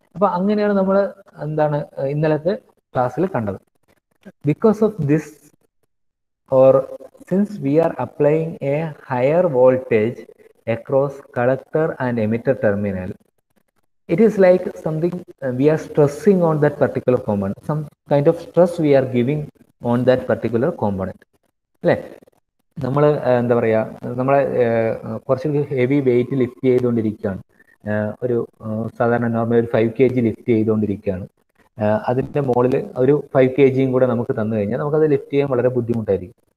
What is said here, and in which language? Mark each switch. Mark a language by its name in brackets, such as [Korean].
[Malayalam] അപ്പൊ അങ്ങനെയാണ് നമ്മൾ എന്താണ് ഇന്നലത്തെ ക്ലാസ്സിൽ കണ്ടത്. [English] Because of this, or since we are applying a higher voltage across collector and emitter terminal, it is like something we are stressing on that particular component, some kind of stress we are giving on that particular component. [Malayalam] Like, നമ്മൾ എന്താ പറയുക, നമ്മൾ കുറച്ച് heavy weight lift ചെയ്തുകൊണ്ടിരിക്കുകയാണ്. ഒരു സാധാരണ normal ഒരു 5 kg lift ചെയ്തുകൊണ്ടിരിക്കുകയാണ്. അതിൻ്റെ മുകളിൽ ഒരു 5 kg കൂടെ നമുക്ക് തന്നു കഴിഞ്ഞാൽ നമുക്കത് ലിഫ്റ്റ് ചെയ്യാൻ വളരെ ബുദ്ധിമുട്ടായിരിക്കും.